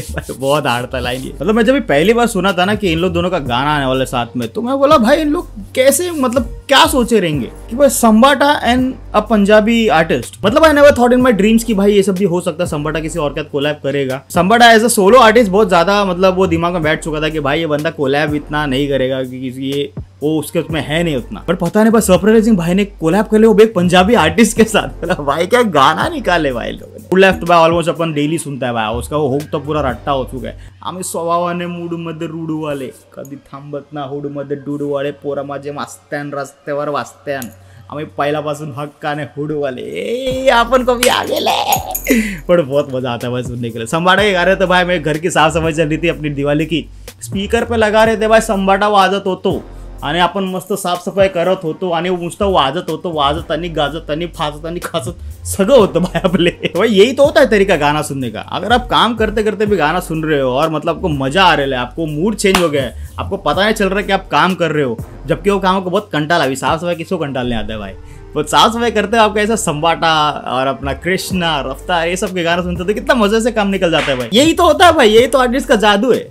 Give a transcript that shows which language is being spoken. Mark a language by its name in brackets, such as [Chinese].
[Hindi] बहुत हार्ड था लाइन ये, मतलब मैं जब पहली बार सुना था ना कि इन लोग दोनों का गाना आने वाला साथ में, तो मैं बोला भाई इन लोग कैसे, मतलब क्या सोचे रहेंगे कि भाई संबाटा एंड अ पंजाबी आर्टिस्ट, मतलब I never thought in my dreams कि भाई ये सब भी हो सकता है, संबाटा किसी और के साथ कोलैब करेगा। संबाटा एज अ सोलो आर्टिस्ट बहुत ज्यादा मतलब वो दिमाग में बैठ चुका था कि भाई ये बंदा कोलैब इतना नहीं करेगा क्योंकि ये वो उसके उसमें है नहीं उतना, पर पता नहीं बस सरप्राइजिंग भाई ने कोलैब कर लिया वो एक पंजाबी आर्टिस्ट के साथ, भाई क्या गाना निकाले भाई लोग। लेफ्ट भाई ऑलमोस्ट अपन डेली सुनता है भाई, उसका वो हुक तो पूरा रट्टा हो चुका है, [Marathi] आम्ही स्वभावाने मूड मध्ये रुड वाले कधी थांबत ना, हुड मध्ये डूड वाले पोरा माझे मस्त्यान रस्त्यावर वास्त्यान, आम्ही पहिल्यापासून हक्काने हुड वाले आपण कभी आगेले। [Hindi] पण बहुत मजा आता है भाई सुनने के लिए। संबाटा के गाने तो भाई मेरे घर की साफ सफाई चल रही थी अपनी दिवाली की, स्पीकर पे लगा रहे थे भाई संबाटा [Marathi] वाजत होतो आणि आपण मस्त साफ सफाई करत होतो आणि मस्त वाजत होतो, वाजत आणि गाजत आणि फाजत आणि खासत सगळं होतं भाई आपले भाई, [Hindi] यही तो होता है तरीका गाना सुनने का। अगर आप काम करते करते भी गाना सुन रहे हो और मतलब आपको मजा आ रहा है, आपको मूड चेंज हो गया है, आपको पता नहीं चल रहा है कि आप काम कर रहे हो, जबकि वो काम आपको बहुत कंटाला भी, साफ सफाई किसको कंटालने आता है भाई, वो साफ सफाई करते हो आपका ऐसा संबाटा और अपना कृष्णा रफ्तार ये सब के गाना सुनते तो कितना मजे से काम निकल जाता है भाई, यही तो होता है भाई, यही तो आर्टिस्ट का जादू है।